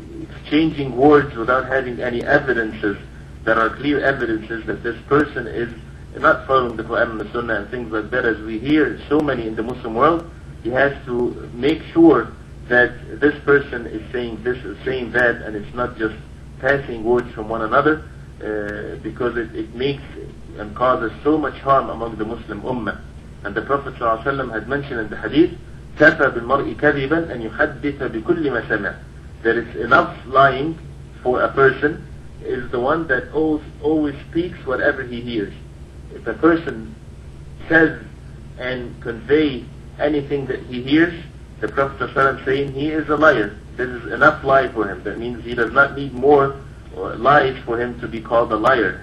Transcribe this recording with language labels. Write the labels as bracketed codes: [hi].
[en] exchanging words without having any evidences, there are clear evidences that this person is not following the Quran and the Sunnah and things like that, as we hear so many in the Muslim world, he has to make sure that this person is saying this or saying that, and it's not just passing words from one another, because it makes and causes so much harm among the Muslim Ummah. And the Prophet ﷺ had mentioned in the hadith, [ar] كَفَى بِالْمَرْءِ كَذِبًا أَنْ يُحَدِّثَ بِكُلِّ مَا سَمِعَ. [en] There is enough lying for a person is the one that always speaks whatever he hears. If a person says and conveys anything that he hears, the Prophet ﷺ saying he is a liar. This is enough lie for him. That means he does not need more lies for him to be called a liar.